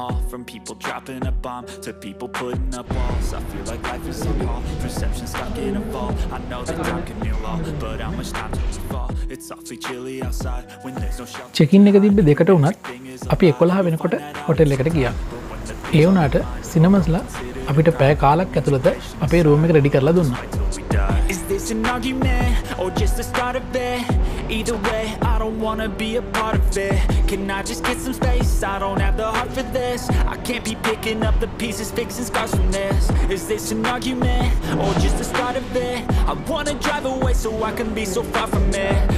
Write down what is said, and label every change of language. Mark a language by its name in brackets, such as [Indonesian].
[English] From people dropping a bomb to people putting up walls. I feel like life is a call. Perception stuck in a fall. I know that time can heal all, but how much time does it fall? It's awfully chilly outside when there's no shelter. [Sinhala] Check-in එක දිබ්බ දෙකට වුණත් අපි 11 වෙනකොට hotel එකට ගියා. ඒ වුණාට සිනමස්ලා අපිට පැය කාලක් ඇතුළත අපේ රූම් එක රෙඩි කරලා දුන්නා. [English] Is this an argument or just the start of it? Either way, I don't wanna be a part of it. Can I just get some space? I don't have the heart for this. I can't be picking up the pieces, fixing scars from this. Is this an argument or just the start of it? I wanna drive away so I can be so far from it.